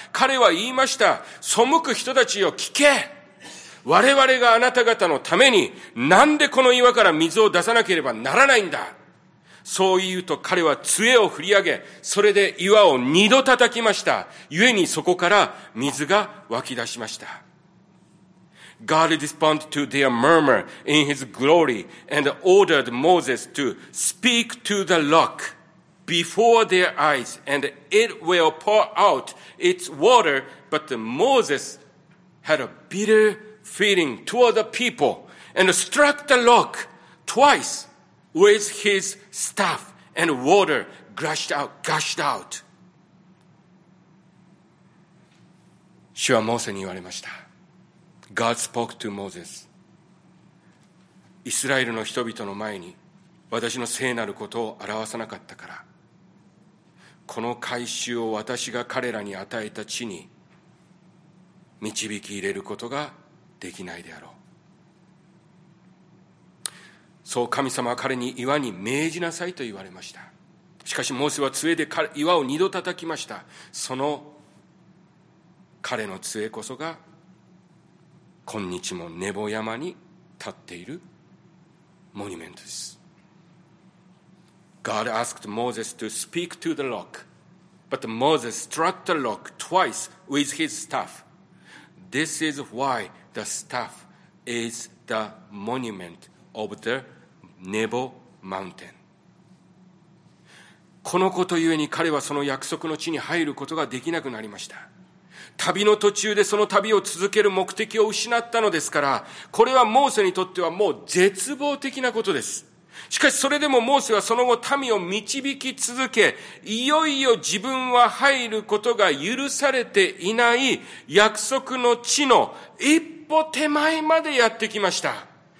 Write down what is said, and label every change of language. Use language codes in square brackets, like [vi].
[ja] 彼は言いました。背く人たちよ、聞け。我々があなた方のためになんでこの岩から水を出さなければならないんだ。そう言うと彼は杖を振り上げ、それで岩を二度叩きました。故にそこから水が湧き出しました。 [en] God responded to their murmur in his glory and ordered Moses to speak to the rock before their eyes and it will pour out its water. But Moses had a bitter feeling toward the people and struck the rock twice with his staff and water gushed out. [ja] 主はモーセに言われました。 [en] God spoke to Moses. [ja] イスラエルの人々の前に私の聖なることを表さなかったから、この改宗を私が彼らに与えた地に導き入れることができないであろう。そう神様は彼に岩に命じなさいと言われました。しかしモーセは杖で岩を二度叩きました。その彼の杖こそが今日もネボ山に立っているモニュメントです。 [en] God asked Moses to speak to the rock, but Moses struck the rock twice with his staff. This is why the staff is the monument of the Nebo Mountain. [ja] このことゆえに彼はその約束の地に入ることができなくなりました。旅の途中でその旅を続ける目的を失ったのですから、これはモーセにとってはもう絶望的なことです。しかしそれでもモーセはその後民を導き続け、いよいよ自分は入ることが許されていない約束の地の一歩手前までやってきました。